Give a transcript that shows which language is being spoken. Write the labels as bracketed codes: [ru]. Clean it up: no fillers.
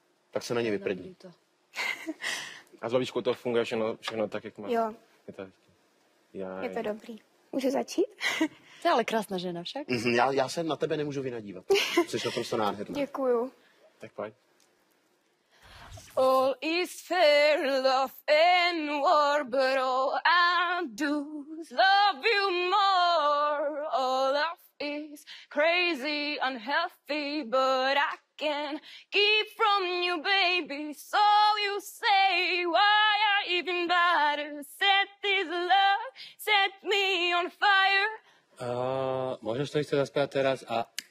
[cs] Tak se na ně vyprdni. A s babičkou to funguje všechno tak, jak má. Jo. Je to, je to dobrý. Můžu začít? To je ale krásná žena však. Já se na tebe nemůžu vynadívat. Jsi naprosto nádherná. Děkuju. Tak pojď. [en] All is fair, love and war, but all I do is love you more. All love is crazy, unhealthy, but I can't keep from you, baby. So you say, why I even bother? Set this love, set me on fire. [cs] Můžeš to ještě zaspět teraz a...